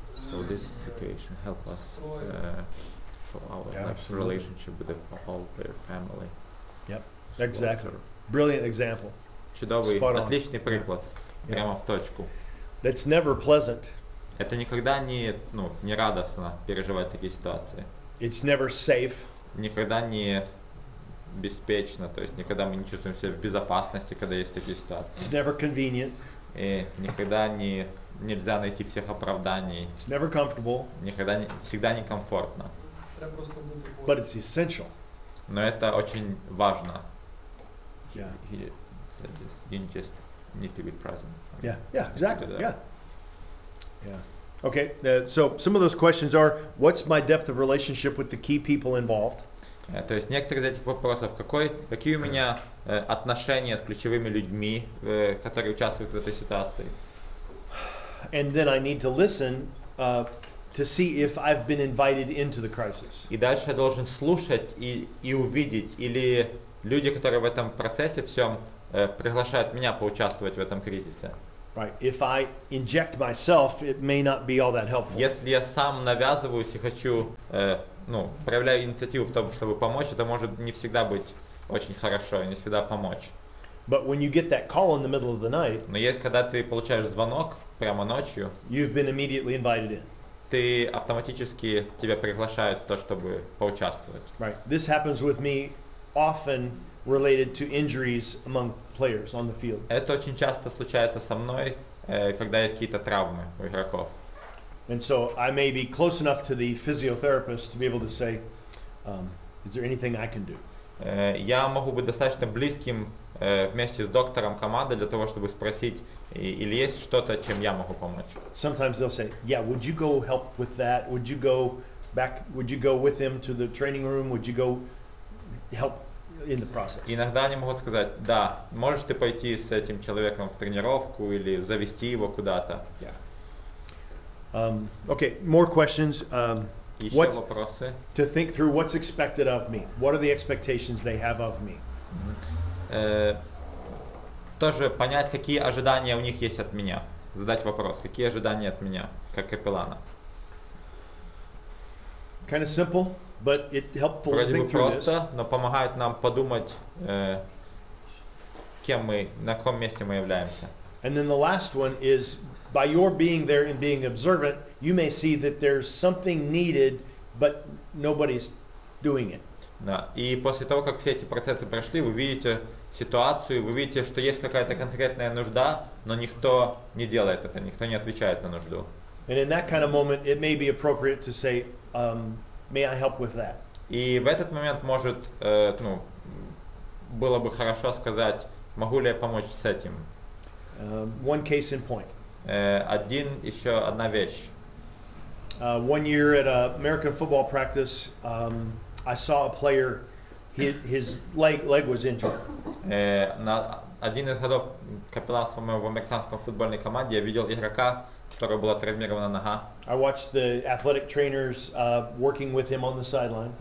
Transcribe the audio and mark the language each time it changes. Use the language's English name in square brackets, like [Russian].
[English] So this situation helped us for our relationship with all their family. Yep, exactly. Brilliant example. [Russian] Чудовый, отличный приклад. Прямо в точку. [English] That's never pleasant. [Russian] Это никогда не, ну, не радостно переживать такие ситуации. [English] It's never safe. [Russian] Никогда не безопасно, то есть никогда мы не чувствуем себя в безопасности, когда есть такие ситуации. [English] It's never convenient. [Russian] И никогда не нельзя найти всех оправданий. [English] It's never comfortable. [Russian] Никогда не всегда некомфортно. [English] But it's essential. [Russian] Но это очень важно. [English] Yeah. He said this. You just need to be present. Yeah. Yeah. Exactly. Yeah. Yeah. Okay, so some of those questions are, what's my depth of relationship with the key people involved? [Russian] То есть некоторые из этих вопросов, какие у меня отношения с ключевыми людьми, которые участвуют в этой ситуации? [English] And then I need to listen to see if I've been invited into the crisis. [Russian] И дальше я должен слушать и увидеть, или люди, которые в этом процессе всем приглашают меня поучаствовать в этом кризисе. [English] Right. If I inject myself, it may not be all that helpful. [Russian] Если я сам навязываюсь и хочу, ну, проявляю инициативу в том, чтобы помочь, это может не всегда быть очень хорошо и не всегда помочь. [English] But when you get that call in the middle of the night, [Russian] но если когда ты получаешь звонок прямо ночью, [English] you've been immediately invited in. [Russian] Ты автоматически тебя приглашают в то, чтобы поучаствовать. [English] Right. This happens with me often. Related to injuries among players on the field. [Russian] Это очень часто случается со мной, когда есть какие-то травмы у игроков. [English] And so I may be close enough to the physiotherapist to be able to say, is there anything I can do? [Russian] Я могу быть достаточно близким вместе с доктором команды для того, чтобы спросить, или есть что-то, чем я могу помочь. [English] Sometimes they'll say, yeah, would you go help with that? Would you go back? Would you go with him to the training room? Would you go help? In the process. [Russian] Иногда они могут сказать, да, можешь ты пойти с этим человеком в тренировку или завести его куда-то. [English] Yeah. Okay, more questions. [Russian] Еще вопросы. [English] To think through what's expected of me. What are the expectations they have of me? [Russian] Тоже понять, какие ожидания у них есть от меня. Задать вопрос, какие ожидания от меня, как капеллана. [English] Kind of simple. But it helpful [Russian] вроде [English] think [Russian] бы просто, [English] through this. [Russian] Но помогает нам подумать, кем мы, на каком месте мы являемся. [English] And then the last one is, by your being there and being observant, you may see that there's something needed, but nobody's doing it. [Russian] Да. И после того, как все эти процессы прошли, вы видите ситуацию, вы видите, что есть какая-то конкретная нужда, но никто не делает это, никто не отвечает на нужду. [English] And in that kind of moment, it may be appropriate to say, may I help with that? [Russian] И в этот момент может, ну, было бы хорошо сказать, могу ли я помочь с этим? [English] One case in point. [Russian] Один еще одна вещь. [English] One year at an American football practice, I saw a player, his leg was injured. [Russian] На один из годов капитанства в американском футбольной команде я видел игрока. Которая была травмирована нога. [English] I watched the athletic trainers working with him on the sideline.